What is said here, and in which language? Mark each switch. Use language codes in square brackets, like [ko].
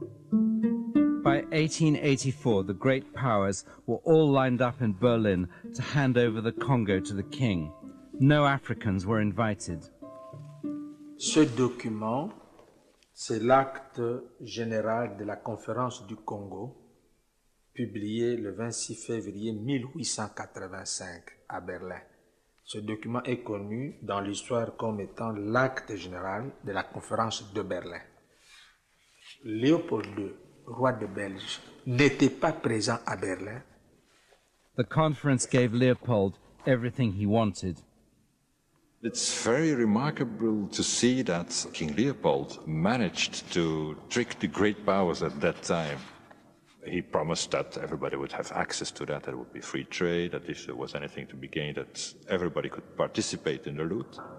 [en] By 1884, the great powers were all lined up in Berlin to hand over the Congo to the king. No Africans were invited. [fr] Ce document, c'est l'acte général de la conférence du Congo publié le 26 février 1885 à Berlin. Ce document est connu dans l'histoire comme étant l'acte général de la conférence de Berlin. Léopold II, roi de Belgique, n'était pas présent à Berlin. [en] The conference gave Leopold everything he wanted. It's very remarkable to see that King Leopold managed to trick the great powers at that time. He promised that everybody would have access to that, that it would be free trade, that if there was anything to be gained, that everybody could participate in the loot.